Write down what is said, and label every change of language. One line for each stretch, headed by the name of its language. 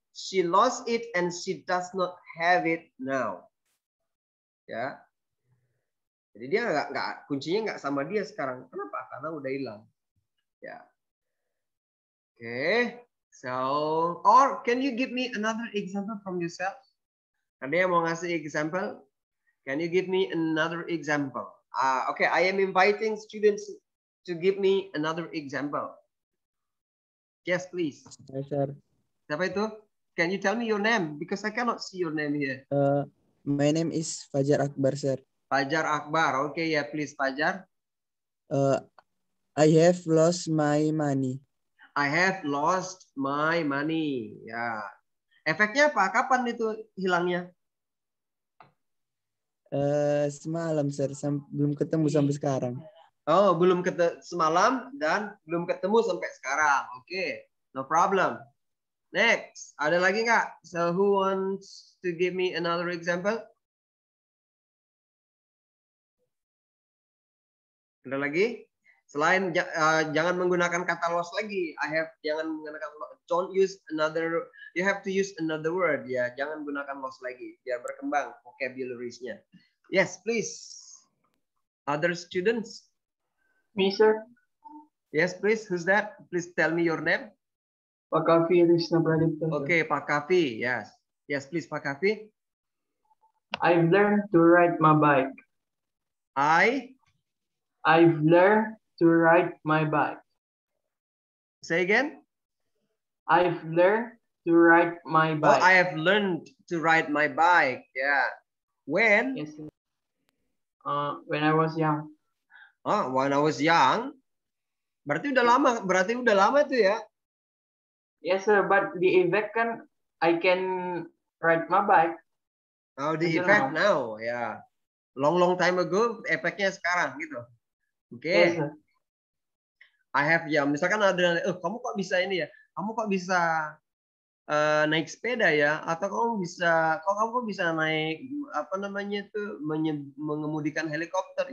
English: She lost it and she does not have it now.
Indonesian: Ya. Jadi dia enggak kuncinya enggak sama dia sekarang. Kenapa? Karena udah hilang. Ya. Oke.
English: Okay. So, or can you give me another example from yourself?
Indonesian: Ada yang mau ngasih example?
English: Can you give me another example? Okay, I am inviting students to give me another example. Yes, please. Hi, sir.
Indonesian: Siapa itu?
English: Can you tell me your name? Because I cannot see your name here. My name is Fajar Akbar, sir. Fajar Akbar. Okay, yeah, please, Fajar. I have lost my money. I have lost my money. Yeah.
Indonesian: Efeknya apa? Kapan itu hilangnya? Semalam, sir. Belum ketemu sampai sekarang. Oh, belum semalam dan belum ketemu sampai sekarang.
English: Okay, no problem. Next,
Indonesian: ada lagi nggak?
English: So who wants to give me another example?
Indonesian: Ada lagi? Selain jangan menggunakan kata lost lagi. Jangan menggunakan
English: don't use another. You have to use another word.
Indonesian: Ya, yeah, jangan gunakan lost lagi. Biar berkembang vocabularies-nya.
English: Yes, please. Other students. Me, sir. Yes, please. Who's that? Please tell me your name.
Indonesian: Pak Kavi, Rishna Pradipta.
English: Okay, Pak Kavi, yes. Yes, please, Pak Kavi. I've learned to ride my bike. I've learned to ride my bike. Say again. I've learned to ride my bike. Oh, I have learned to ride my bike. Yeah. When? Yes, sir. When I was young. Oh, when I was young.
Indonesian: Berarti udah lama itu ya?
English: Yes, sir. But the effect kan, I can ride my bike. Oh, the effect now, yeah. Long time ago,
Indonesian: efeknya sekarang gitu.
English: Okay. Yes, sir. I have ya.
Indonesian: Misalkan ada, kamu kok bisa ini ya? Kamu kok bisa naik sepeda ya? Atau kamu kok bisa naik apa namanya itu mengemudikan helikopter?